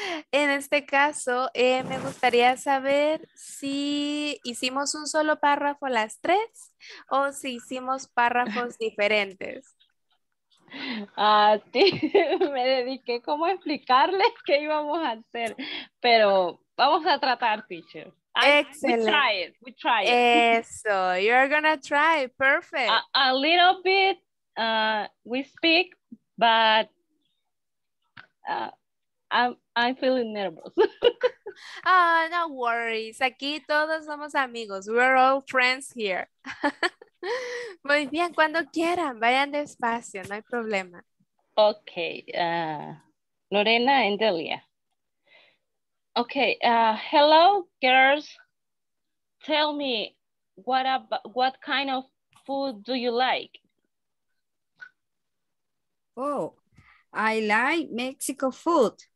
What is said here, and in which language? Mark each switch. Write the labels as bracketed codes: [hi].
[es] En este caso, me gustaría saber si hicimos un solo párrafo las tres o si hicimos párrafos diferentes. A ti me dediqué como a explicarles qué íbamos a hacer, pero vamos a tratar, teacher. [en] Excellent. We try it. Eso, you're gonna try, perfect. A little bit we speak, but I'm feeling nervous. Ah, no worries, [es] aquí todos somos amigos, [en] we're all friends here. [es] Muy bien, cuando quieran, vayan despacio, no hay problema. [en] Ok, Lorena and Delia. Ok, hello girls, tell me what kind of food do you like? Oh, I like Mexican food.